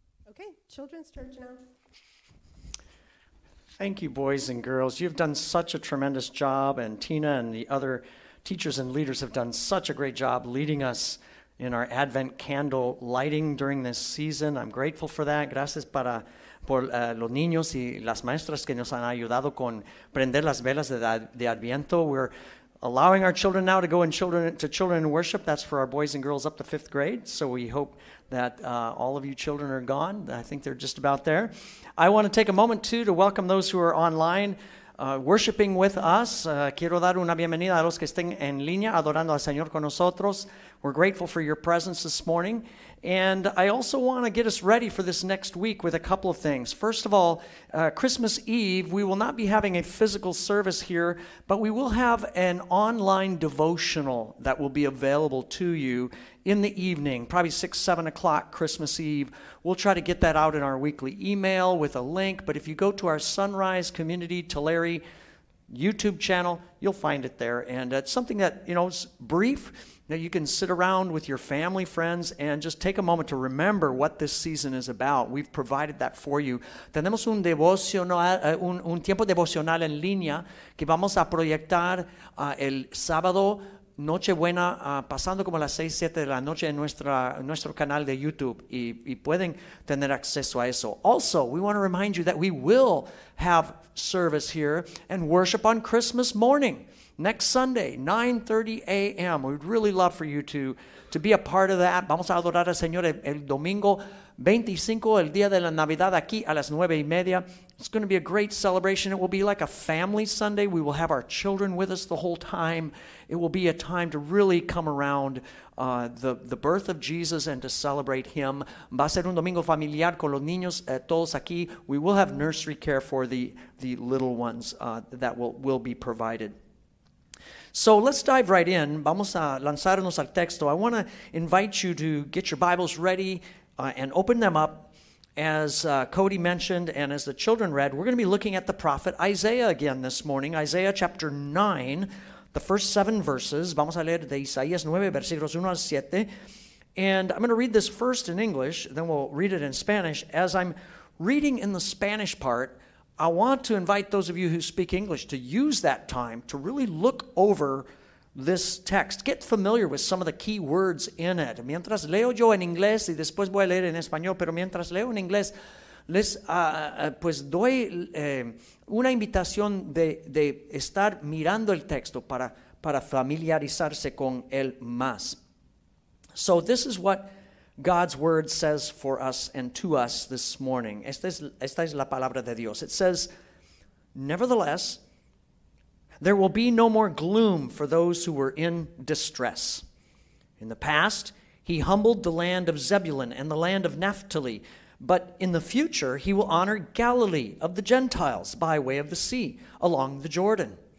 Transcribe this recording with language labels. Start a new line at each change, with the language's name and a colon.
English: Okay, children's church now. Thank you, boys and girls. You've done such a tremendous job, and Tina and the other teachers and leaders have done such a great job leading us in our Advent candle lighting during this season. I'm grateful for that.
Spanish: Gracias por los niños y las maestras que nos han ayudado con prender las velas de Adviento.
English: We're allowing our children now to go to children in worship. That's for our boys and girls up to fifth grade. So we hope that all of you children are gone. I think they're just about there. I want to take a moment, too, to welcome those who are online worshiping with us.
Spanish: Quiero dar una bienvenida a los que estén en línea adorando al Señor con nosotros.
English: We're grateful for your presence this morning. And I also want to get us ready for this next week with a couple of things. First of all, Christmas Eve, we will not be having a physical service here, but we will have an online devotional that will be available to you in the evening, probably 6-7 o'clock Christmas Eve. We'll try to get that out in our weekly email with a link, but if you go to our Sunrise Community Tulare YouTube channel, you'll find it there. And it's something that, you know, it's brief. Now you can sit around with your family, friends, and just take a moment to remember what this season is about. We've provided that for you.
Spanish: Tenemos un devocional, un tiempo devocional en línea que vamos a proyectar el sábado Nochebuena, pasando como a las 6-7 de la noche en nuestro canal de YouTube, y pueden tener acceso a eso.
English: Also, we want to remind you that we will have service here and worship on Christmas morning. Next Sunday, 9:30 a.m., we'd really love for you to be a part of that.
Spanish: Vamos a adorar al Señor el domingo 25, el día de la Navidad, aquí a las 9:30.
English: It's going to be a great celebration. It will be like a family Sunday. We will have our children with us the whole time. It will be a time to really come around the birth of Jesus and to celebrate him.
Spanish: Va a ser un domingo familiar con los niños todos aquí.
English: We will have nursery care for the little ones that will be provided. So let's dive right in.
Spanish: Vamos a lanzarnos al texto.
English: I want to invite you to get your Bibles ready and open them up. As Cody mentioned and as the children read, we're going to be looking at the prophet Isaiah again this morning. Isaiah chapter 9, the first 7 verses.
Spanish: Vamos a leer de Isaías 9, versículos 1 al 7.
English: And I'm going to read this first in English, then we'll read it in Spanish. As I'm reading in the Spanish part, I want to invite those of you who speak English to use that time to really look over this text. Get familiar with some of the key words in it.
Spanish: Mientras leo yo en inglés y después voy a leer en español, pero mientras leo en inglés, les pues doy una invitación de estar mirando el texto para familiarizarse con él más.
English: So this is what God's word says for us and to us this morning.
Spanish: Esta es la palabra de Dios.
English: It says, nevertheless, there will be no more gloom for those who were in distress. In the past, he humbled the land of Zebulun and the land of Naphtali, but in the future, he will honor Galilee of the Gentiles by way of the sea along the Jordan.